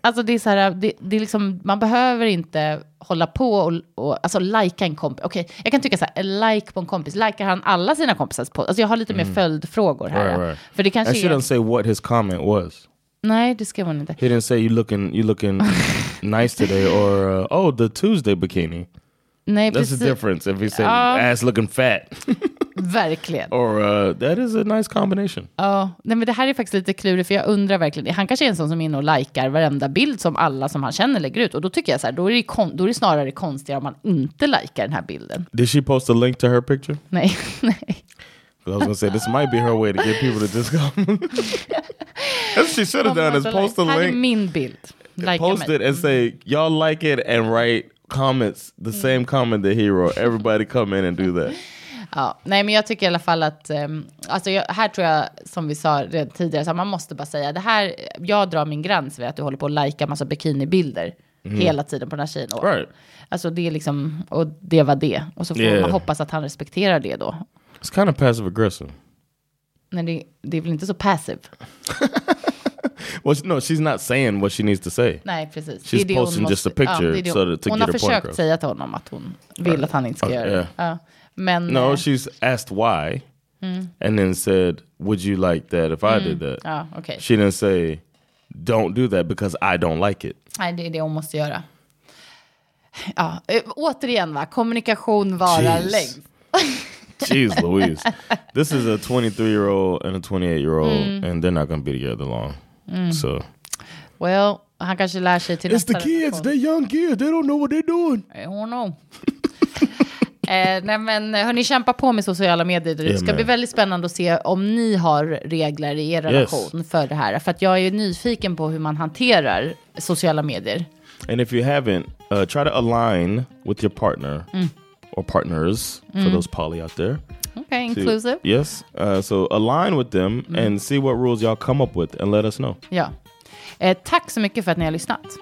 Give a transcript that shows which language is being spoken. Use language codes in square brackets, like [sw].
[sv] Alltså det är så här, det är liksom, man behöver inte hålla på och alltså likea en kompis. Okej, okay, jag kan tycka så här, like på en kompis. Likar han alla sina kompisars post? Alltså jag har lite mer följdfrågor här. [en] Right. [sv] För det kanske [en] I shouldn't say what his comment was. [sv] Nej, det skrev hon inte. [en] He didn't say you looking nice today or oh the Tuesday bikini. [sv] Nej, [en] that's the difference if he said ass looking fat. [sv] Verkligen. [en] Or that is a nice combination. [sv] Ja, men det här är faktiskt lite klurigt för jag undrar verkligen. Han kanske är en sån som är inne och likar varenda bild som alla som han känner lägger ut. Och då tycker jag så här, då är det snarare konstigare om man inte likar den här bilden. [en] Did she post a link to her picture? [sv] Nej, [en] I was gonna say this might be her way to get people to just come. That's what she should have done is post a link. [sv] Här är min bild. [en] Like post it and say y'all like it and write comments, the same comment that he wrote. Everybody come in and do that. [sv] Ja, nej, men jag tycker i alla fall att alltså jag, här tror jag, som vi sa redan tidigare, så man måste bara säga det här, jag drar min gräns vid att du håller på att lajka massa bikinibilder hela tiden på den här tjejen. [en] Right. [sv] Alltså det är liksom, och det var det. Och så får man hoppas att han respekterar det då. [en] It's kind of passive aggressive. [sv] Nej, det är väl inte så passive. [en] Well, no, she's not saying what she needs to say. [sv] Nej, precis. [en] She's det posting just a picture. Ja, so to [sv] hon [en] get [sv] har försökt säga till honom att hon vill att han inte ska göra det. Men, [en] no, she's asked why. And then said, would you like that if I did that? [sv] Ja, okay. [en] She didn't say, don't do that because I don't like it. [sv] Nej, det är det hon måste göra. Ja, återigen va? Kommunikation vara längd. [en] Jeez Louise. This is a 23-year-old and a 28-year-old and they're not going to be together long. So. [sv] Well, han kanske lär sig till [en] It's the kids, they're young kids. They don't know what they're doing. I don't know. [sv] Nej, men hörni, kämpa på med sociala medier. Det ska bli väldigt spännande att se om ni har regler i er relation för det här. För att jag är nyfiken på hur man hanterar sociala medier. [en] And if you haven't, try to align with your partner or partners for those poly out there. Okay, inclusive. Yes, so align with them and see what rules y'all come up with and let us know. [sv] Ja, tack så mycket för att ni har lyssnat.